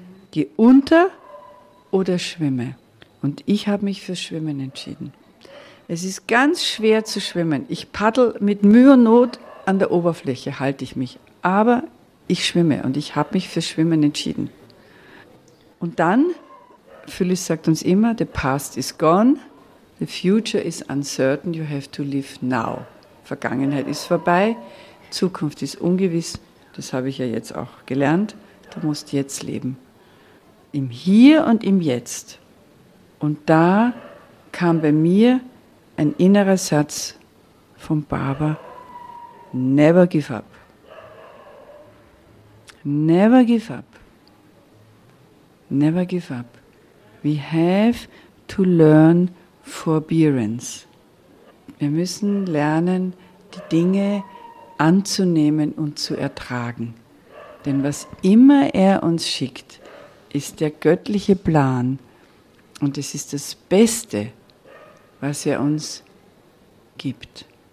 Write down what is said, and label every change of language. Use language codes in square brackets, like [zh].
[de] Geh unter oder schwimme. Und ich habe mich für Schwimmen entschieden. Es ist ganz schwer zu schwimmen. Ich paddel mit Mühe und Not an der Oberfläche, halte ich mich. Aber ich schwimme und ich habe mich für Schwimmen entschieden. Und dann, Phyllis sagt uns immer, [en] the past is gone, The future is uncertain, you have to live now. [de] Vergangenheit ist vorbei, Zukunft ist ungewiss, das habe ich ja jetzt auch gelernt. Du musst jetzt leben, im Hier und im Jetzt. Und da kam bei mir ein innerer Satz vom Baba: [en] Never give up. Never give up. Never give up. We have to learn forbearance. [de] Wir müssen lernen, die Dinge anzunehmen und zu ertragen. Denn was immer er uns schickt, ist der göttliche Plan. Und es ist das Beste, was er uns gibt.